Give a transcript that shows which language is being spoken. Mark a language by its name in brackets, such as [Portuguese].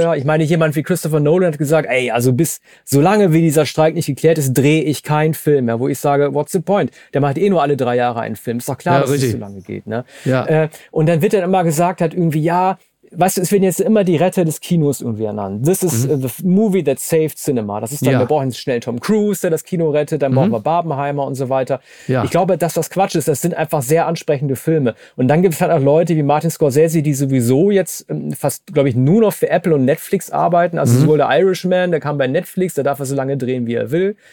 [German] Stimmt. Ich meine, jemand wie Christopher Nolan hat gesagt, ey, also bis solange wie dieser Streik nicht geklärt ist, drehe ich keinen Film mehr. Wo ich sage, [English] what's the point? [German] Der macht eh nur alle 3 Jahre einen Film. Ist doch klar, dass es so lange geht, ne? Ja. Und dann wird dann immer gesagt, hat irgendwie, ja, weißt du, es werden jetzt immer die Retter des Kinos irgendwie ernannt. [English] This is the movie that saved cinema. [German] Das ist dann, wir brauchen schnell Tom Cruise, der das Kino rettet, dann brauchen wir Barbenheimer und so weiter. Ja. Ich glaube, dass das Quatsch ist. Das sind einfach sehr ansprechende Filme. Und dann gibt es halt auch Leute wie Martin Scorsese, die sowieso jetzt fast, glaube ich, nur noch für Apple und Netflix arbeiten. Also sowohl der Irishman, der kam bei Netflix, da darf er so lange drehen, wie er will.